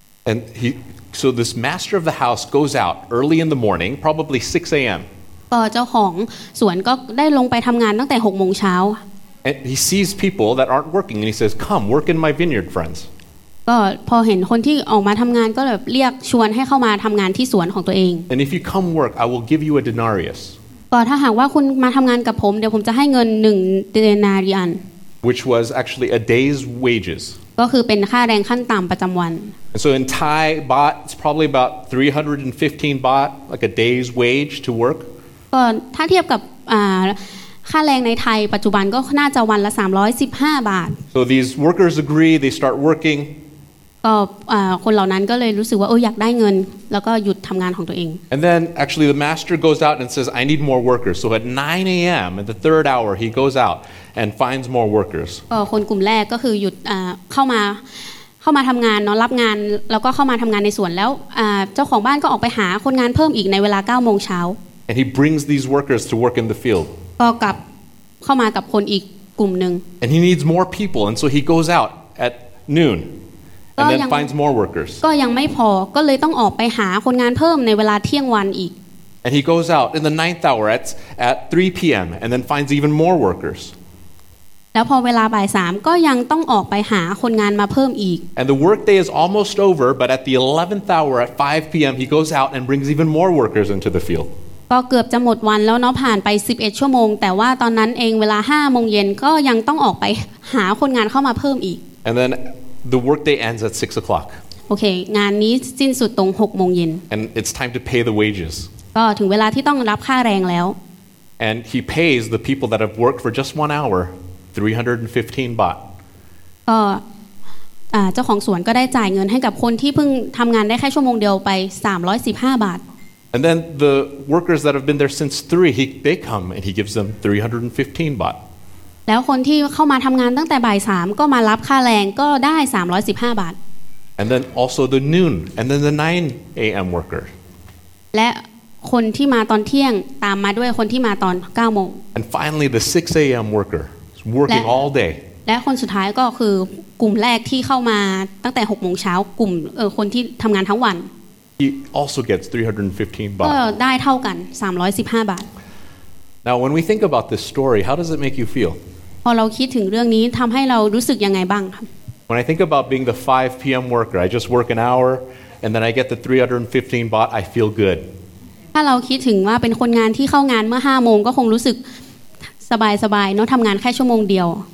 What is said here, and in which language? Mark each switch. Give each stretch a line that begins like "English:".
English: and he so this master of the house goes out early in the morning probably 6 a.m.
Thai: ก็เจ้าของสวนก็ได้ลงไปทำงานตั้งแต่ 6:00 น.
English: and he sees people that aren't working and he says come work in my vineyard friends
Thai: ก็พอเห็นคนที่ออกมาทำงานก็แบบเรียกชวนให้เข้ามาทำงานที่สวนของตัวเอง
English: And if you come work I will give you a denarius
Thai: ก็ถ้าหากว่าคุณมาทำงานกับผมเดี๋ยวผมจะให้เงิน1 denarian
English: which was actually a day's wages
Thai: ก็คือเป็นค่าแรงขั้นต่ำประจำวัน
English: And so in Thai baht it's probably about 315 baht like a day's wage to work
Thai: ก็ถ้าเทียบกับค่าแรงในไทยปัจจุบันก็น่าจะวันละ315บาท
English: So these workers agree they start working
Thai: ก็คนเหล่านั้นก็เลยรู้สึกว่าเอออยากได้เงินแล้วก็หยุดทำงานของตัวเอง
English: And then actually the master goes out and says I need more workers so at 9 a.m. at the third hour he goes outand finds more workers.
Thai: คนกลุ่มแรกก็คือหยุดเข้ามาทำงานเนาะรับงานแล้วก็เข้ามาทำงานในสวนแล้วเจ้าของบ้านก็ออกไปหาคนงานเพิ่มอีกในเวลา 9:00 น.
English: And he brings these workers to work in the field.
Thai: ก็กลับเข้ามากับคนอีกกลุ่มนึง
English: And he needs more people and so he goes out at noon and then finds more workers.
Thai: ก็ยังไม่พอก็เลยต้องออกไปหาคนงานเพิ่มในเวลาเที่ยงวันอีก
English: And he goes out in the ninth hour at 3 p.m. and then finds even more workers
Thai: แล้วพอเวลาบ่ายสามก็ยังต้องออกไปหาคนงานมาเพิ่มอีก
English: And the work day is almost over, but at the 11th hour at 5 p.m. he goes out and brings even more workers into the field.
Thai: ก็เกือบจะหมดวันแล้วเนาะผ่านไป11ชั่วโมงแต่ว่าตอนนั้นเองเวลา5โมงเย็นก็ยังต้องออกไปหาคนงานเข้ามาเพิ่มอีก
English: And then the work day ends at 6 o'clock.
Thai: โอเคงานนี้สิ้นสุดตรง6โมงเย็น
English: And it's time to pay the wages.
Thai: ก็ถึงเวลาที่ต้องรับค่าแรงแล้ว
English: And he pays the people that have worked for just 1 hour. 315 baht.
Thai: เจ้าของสวนก็ได้จ่ายเงินให้กับคนที่เพิ่งทำงานได้แค่ชั่วโมงเดียวไป315บาท
English: And then the workers that have been there since 3 they come and he gives them 315 baht.
Thai: แล้วคนที่เข้ามาทำงานตั้งแต่บ่าย3ก็มารับค่าแรงก็ได้315บาท
English: And then also the noon and then the 9 a.m. worker.
Thai: และคนที่มาตอนเที่ยงตามมาด้วยคนที่มาตอน 9:00
English: And finally the 6 a.m. workerWorking all day.
Thai: และคนสุดท้ายก็คือกลุ่มแรกที่เข้ามาตั้งแต่หกโมงเช้ากลุ่มคนที่ทำงานทั้งวัน
English: He also gets 315 baht.
Thai: ก็ได้เท่ากัน315บาท
English: Now, when we think about this story, how does it make you feel?
Thai: พอเราคิดถึงเรื่องนี้ทำให้เรารู้สึกยังไงบ้างครับ
English: When I think about being the 5 p.m. worker, I just work an hour, and then I get the 315 baht. I feel good.
Thai: ถ้าเราคิดถึงว่าเป็นคนงานที่เข้างานเมื่อห้าโมงก็คงรู้สึกสบายๆเนาะทำงานแค่ชั่วโมงเดียว